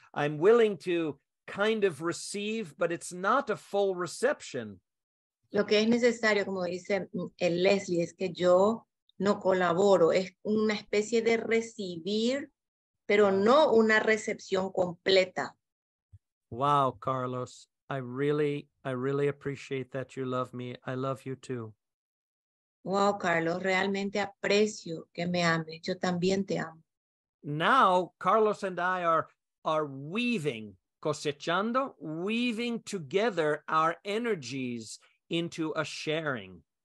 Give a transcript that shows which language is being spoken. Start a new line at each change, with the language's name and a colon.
English: I'm willing to kind of receive, but it's not a full reception.
Spanish: Lo que es necesario, como dice el Leslie, es que yo no colaboro. Es una especie de recibir, pero no una recepción completa.
English: Wow, Carlos, I really appreciate that you love me. I love you too.
Spanish: Wow, Carlos, realmente aprecio que me ames. Yo también te amo.
English: Now, Carlos and I are weaving,
Spanish: cosechando,
English: weaving together our energies into a sharing.